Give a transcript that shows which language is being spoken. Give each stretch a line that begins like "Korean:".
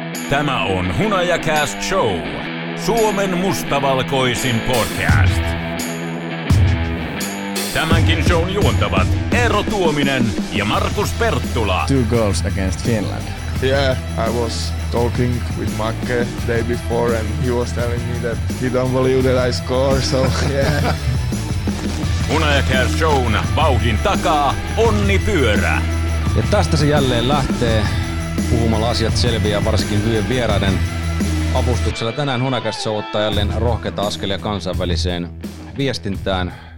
Finnish: Tämä on Hunajakäst Show, Suomen mustavalkoisin podcast. Tämänkin shown juontavat Eero Tuominen ja Markus Perttula.
English: Two goals against Finland. Yeah, I was talking with Macke the day before and he was telling me that he don't believe that I score, so yeah.
Finnish: Hunajakäst Show'n vauhdin takaa Onni Pyörä. Ja tästä se jälleen lähtee. Puhumalla asiat selviää varsinkin hyvien vieraiden avustuksella. Tänään Hunajakäst Show ottaa jälleen rohkeita askelia kansainväliseen viestintään.